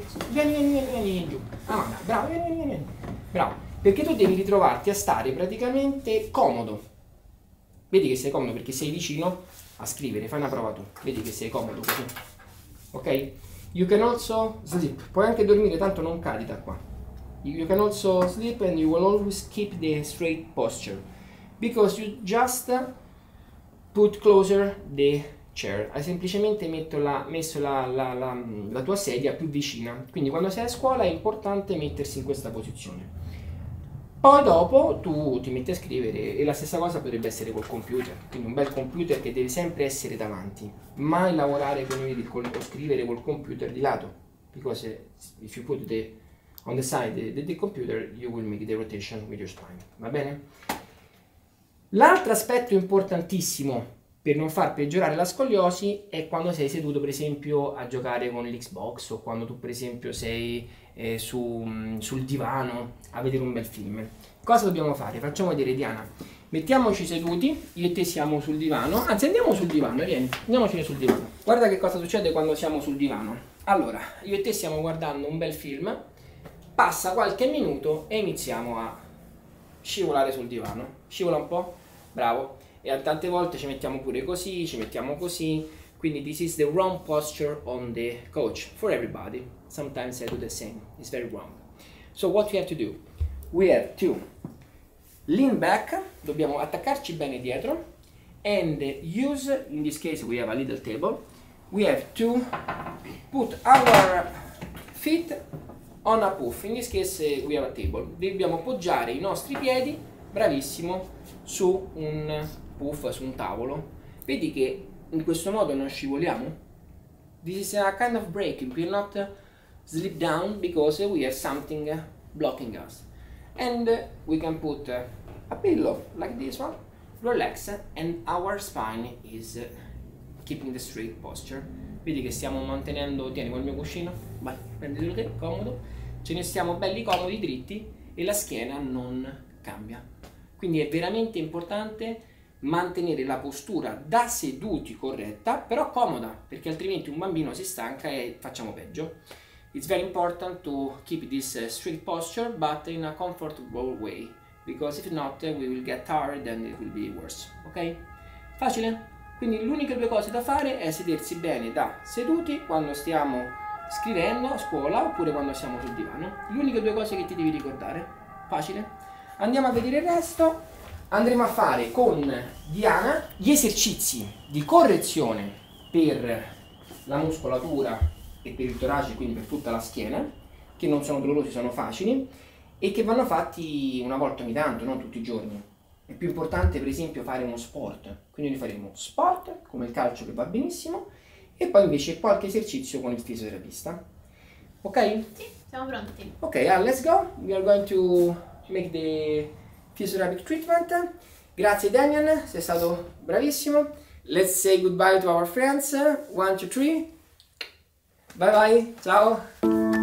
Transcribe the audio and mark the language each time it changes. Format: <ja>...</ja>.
<it>Vieni giù. Amanda, bravo, vieni. Bravo. Perché tu devi ritrovarti a stare praticamente comodo. Vedi che sei comodo perché sei vicino a scrivere, fai una prova tu. Vedi che sei comodo così. Ok?</it> <en>You can also sleep.</en> <it>Puoi anche dormire, tanto non cadi da qua.</it> <en>You can also sleep and you will always keep the straight posture. Because you just put closer the chair.</en> <it>Hai semplicemente messo la tua sedia più vicina. Quindi quando sei a scuola è importante mettersi in questa posizione. Poi dopo tu ti metti a scrivere e la stessa cosa potrebbe essere col computer. Quindi un bel computer che deve sempre essere davanti. Mai lavorare con o scrivere col computer di lato.</it> <en>Because if you put the on the side of the computer, you will make the rotation with your spine.</en> <it>Va bene? L'altro aspetto importantissimo per non far peggiorare la scoliosi è quando sei seduto, per esempio, a giocare con l'Xbox o quando tu, per esempio, sei sul divano a vedere un bel film. Cosa dobbiamo fare? Facciamo vedere, Diana. Mettiamoci seduti, io e te siamo sul divano. Anzi, andiamo sul divano, vieni. Andiamoci sul divano. Guarda che cosa succede quando siamo sul divano. Allora, io e te stiamo guardando un bel film. Passa qualche minuto e iniziamo a scivolare sul divano. Scivola un po', bravo. E tante volte ci mettiamo pure così, ci mettiamo così. Quindi</it> <en>this is the wrong posture on the couch for everybody. Sometimes I do the same, it's very wrong. So what we have to do? We have to lean back,</en> <it>dobbiamo attaccarci bene dietro,</it> <en>and use, in this case we have a little table, we have to put our feet on a puff, in this case we have a table.</en> <it>Dobbiamo appoggiare i nostri piedi, bravissimo, su un puff, su un tavolo. Vedi che in questo modo non scivoliamo?</it> <en>This is a kind of break, we're not slip down because we have something blocking us. And we can put a pillow like this one, relax, and our spine is keeping the straight posture.</en> <it>Vedi che stiamo mantenendo, tieni col mio cuscino, vai, prendilo te, comodo. Ce ne stiamo belli comodi, dritti, e la schiena non cambia. Quindi è veramente importante mantenere la postura da seduti corretta, però comoda, perché altrimenti un bambino si stanca e facciamo peggio.</it> <en>It's very important to keep this straight posture, but in a comfortable way, because if not, we will get tired and it will be worse, ok?</en> <it>Facile? Quindi l'unica due cose da fare è sedersi bene da seduti quando stiamo scrivendo a scuola oppure quando siamo sul divano. L'unica due cose che ti devi ricordare. Facile? Andiamo a vedere il resto. Andremo a fare con Diana gli esercizi di correzione per la muscolatura e per il torace, quindi per tutta la schiena, che non sono dolorosi, sono facili e che vanno fatti una volta ogni tanto, non tutti i giorni. È più importante per esempio fare uno sport, quindi noi faremo sport come il calcio che va benissimo e poi invece qualche esercizio con il fisioterapista. Ok? Sì, siamo pronti.</it> <en>Ok, let's go. We are going to make the physiotherapic treatment.</en> <it>Grazie Damian, sei stato bravissimo.</it> <en>Let's say goodbye to our friends. 1, 2, 3. Bye bye, ciao!</en>